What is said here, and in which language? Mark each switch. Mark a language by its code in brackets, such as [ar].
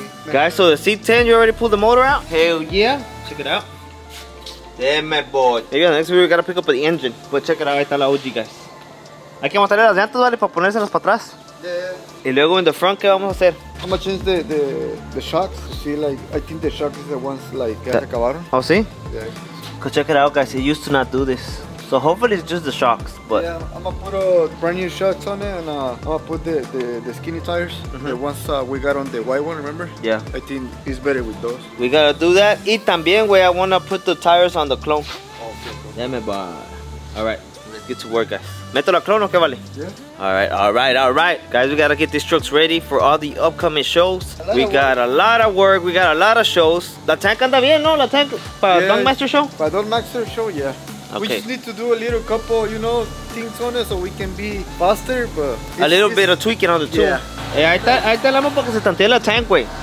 [en] Guys, so the C10, you already pulled the motor out? Hell yeah. Check it out. Damn, my boy. Maybe next week we gotta pick up the engine. But check it out, [es] ahí está la OG, [en] guys. [es] Hay que montarle las llantas, Vale, para ponérselas para atrás. Y luego en [en] the front, [es] ¿qué vamos a hacer? [en] How much is the shocks? See, like, I think the shocks is the ones, like, [es] que acabaron. Oh, sí? [en] Yeah. Cause check it out, guys. It used to not do this. So hopefully it's just the shocks, but... Yeah, I'm gonna put brand new shocks on it, and I'm gonna put the skinny tires. Mm-hmm. The ones we got on the white one, remember? Yeah. I think it's better with those. We gotta do that. [es] Y también, güey, [en] I wanna put the tires on the clone. Okay. Damn it, boy. All right, let's get to work, guys. [es] ¿Meto la clone o qué, Vale? [en] Yeah. All right, all right, all right. Guys, we gotta get these trucks ready for all the upcoming shows. We got a lot of work. We got a lot of shows. [es] La tank anda bien, ¿no? La tank para Dog Master show? Para Dog Master show, yeah. [en] Okay. We just need to do a little couple, you know, things on it so we can be faster, but... A little bit of tweaking on the tool. Yeah. [es] Hey, ahí está el amo para que se tantee la tank, güey.